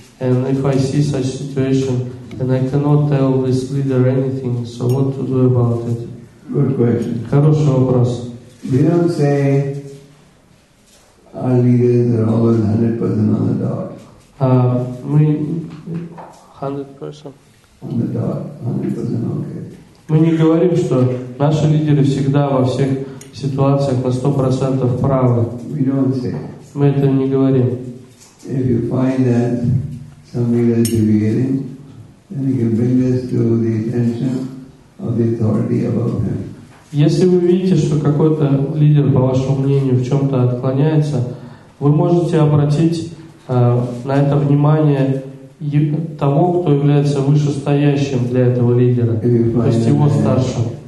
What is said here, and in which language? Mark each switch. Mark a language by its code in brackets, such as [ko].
[en] And if I see such situation, then I cannot tell this leader anything. So what to do about it? Good question. [ru] Хороший вопрос. [en] We don't say our leaders are always 100% on the dot. [ru] Мы 100% [en] on the dot, 100% okay. [ru] Мы не говорим, что наши лидеры всегда во всех ситуациях на 100% правы. [en] We don't say. [ru] Мы это не говорим. [en] If you find that some leader is deviating, then you can bring this to the attention of the authority above him. [ru] Если вы видите, что какой-то лидер, по вашему мнению, в чем-то отклоняется, вы можете обратить на это внимание того, кто является вышестоящим для этого лидера, то есть его старшим.